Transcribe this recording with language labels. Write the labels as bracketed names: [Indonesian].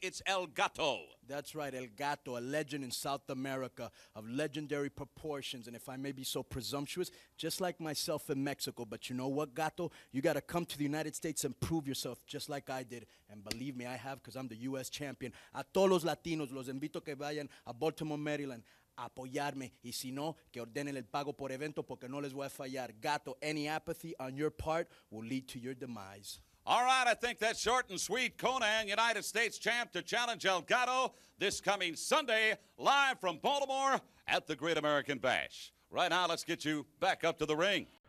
[English] It's El Gato. That's right, El Gato, a legend in South America of legendary proportions. And if I may be so presumptuous, just like myself in Mexico. But you know what, Gato? You got to come to the United States and prove yourself just like I did. And believe me, I have because I'm the U.S. champion. [Spanish] A todos los Latinos, los invito que vayan a Baltimore, Maryland, a apoyarme. Y si no, que ordenen el pago por evento porque no les voy a fallar. [English] Gato, any apathy on your part will lead to your demise. All right, I think that's short and sweet. Conan, United States champ to challenge El Gato this coming Sunday, live from Baltimore at the Great American Bash. Right now, let's get you back up to the ring.